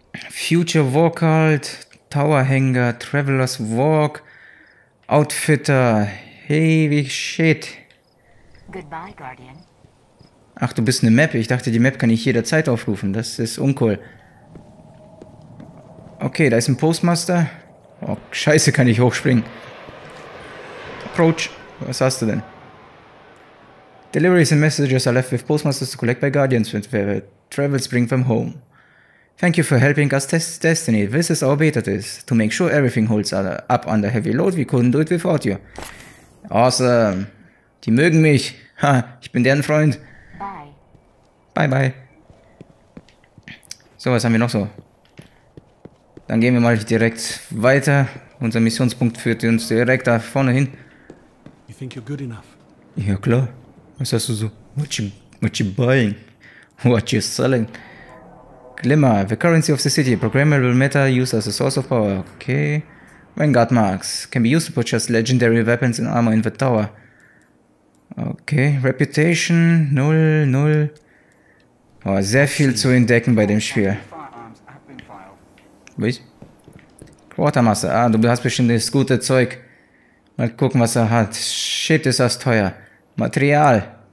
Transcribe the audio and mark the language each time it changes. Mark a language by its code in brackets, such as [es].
[en] Future Walkout, Tower Hangar, Traveler's Walk, Outfitter, heavy shit. Goodbye, Guardian. [de] Ach, du bist eine Map. Ich dachte, die Map kann ich jederzeit aufrufen. Das ist uncool. Okay, da ist ein Postmaster. Oh, scheiße, kann ich hochspringen. Approach. Was hast du denn? [en] Deliveries and messages are left with postmasters to collect by guardians when travels bring them home. Thank you for helping us test Destiny. This is our beta test. To make sure everything holds up under heavy load, we couldn't do it without you. [de] Awesome. Die mögen mich. Ha, ich bin deren Freund. Bye, bye. So, was haben wir noch so? Dann gehen wir mal direkt weiter. Unser Missionspunkt führt uns direkt da vorne hin. [en] You think you're good enough? [de] Ja, klar. Was hast du so? [en] What you buying? What you selling? Glimmer, the currency of the city. Programmable metal used as a source of power. Okay. Vanguard marks. Can be used to purchase legendary weapons and armor in the tower. [de] Okay. Reputation. Null, null. Oh, sehr viel zu entdecken bei dem Spiel. Was? Quartermaster. Ah, du hast bestimmt das gute Zeug. Mal gucken, was er hat. Shit, ist das teuer. Material.